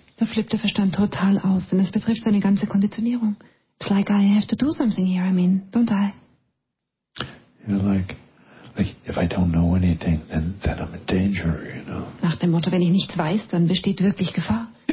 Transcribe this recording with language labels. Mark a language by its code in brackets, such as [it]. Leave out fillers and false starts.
[de] Da flippt der Verstand total aus, denn es betrifft seine ganze Konditionierung. [en] It's like I have to do something here, I mean, don't I? You're like. Like, if I don't know anything, then I'm in danger, you know. [de] Nach dem Motto, wenn ich nichts weiß, dann besteht wirklich Gefahr.